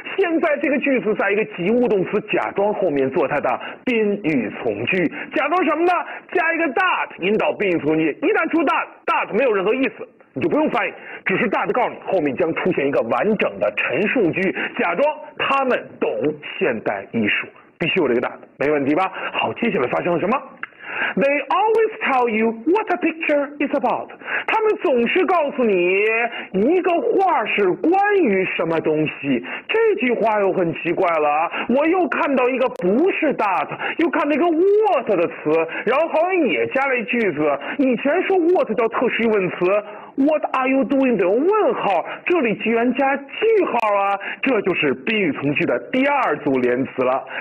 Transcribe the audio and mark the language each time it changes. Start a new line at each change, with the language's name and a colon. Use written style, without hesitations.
Chinese: 现在这个句子在一个及物动词假装后面做它的宾语从句，假装什么呢？加一个 that 引导宾语从句，一旦出 that 没有任何意思，你就不用翻译，只是 that 告诉你后面将出现一个完整的陈述句，假装他们懂现代艺术，必须有这个 that， 没问题吧？好，接下来发生了什么？
English: They always tell you what a picture is about.
Chinese: 他们总是告诉你一个画是关于什么东西。这句话又很奇怪了，我又看到一个不是 that， 又看到一个 what 的词，然后好像也加了一句子。以前说 what 叫特殊疑问词，
English: what are you doing
Chinese: 的问号，这里居然加句号啊，这就是宾语从句的第二组连词了。